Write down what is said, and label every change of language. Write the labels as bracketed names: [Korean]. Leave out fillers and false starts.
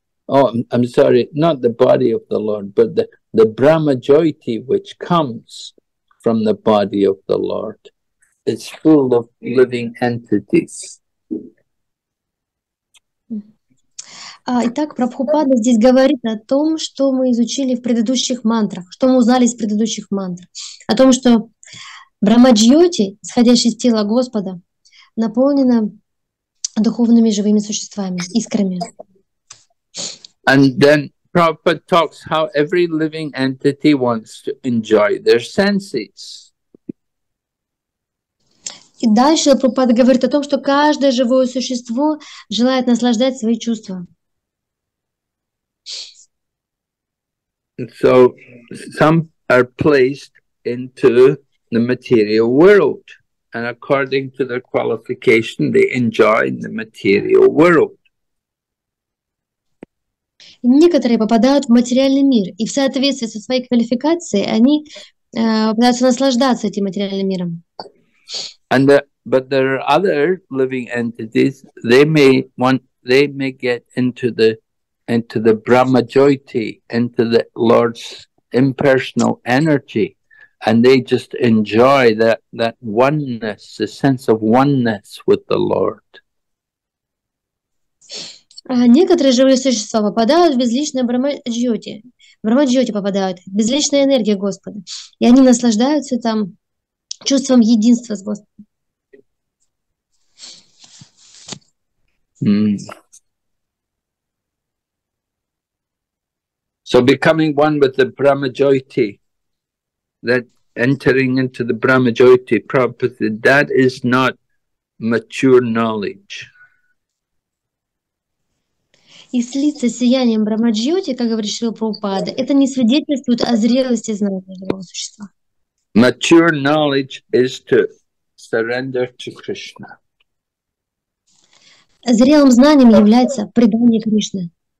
[English] Oh, I'm sorry, not the body of the Lord, but the Brahma Jyoti, which comes from the body of the Lord, is full of living entities. [Russian] Итак, Прабхупада здесь говорит о том, что мы изучили в предыдущих мантрах, что мы узнали из предыдущих мантр. О том, что Брахма-джьоти, исходящий из тела Господа, наполнена духовными живыми существами, искрами. [English] And then Prabhupada talks how every living entity wants to enjoy their senses. [Russian] И дальше Прабхупада говорит о том, что каждое живое существо желает наслаждать свои чувства. [English] So some are placed into the material world, and according to their qualification, they enjoy the material world. [Russian] Некоторые попадают в материальный мир, и в соответствии со своей квалификацией они пытаются наслаждаться этим материальным миром. [English] But there are other living entities. They may get into the Brahma Jyoti, into the Lord's impersonal energy, and they just enjoy that oneness, the sense of oneness with the Lord. [Russian] Некоторые живые существа попадают в безличное брахма-джьоти. Брахма-джьоти попадают, безличная энергия Господа. И они наслаждаются там чувством единства с Господом. [English] So becoming one with the Brahma-jyoti, that entering into the Brahma-jyoti property, that is not mature knowledge. [Russian] И слиться с сиянием Брахма-джьоти, как говорит Шрила Прабхупада, это не свидетельствует о зрелости знания живого существа. [English] Mature knowledge is to surrender to Krishna. [Russian] Зрелым знанием является предание Кришне.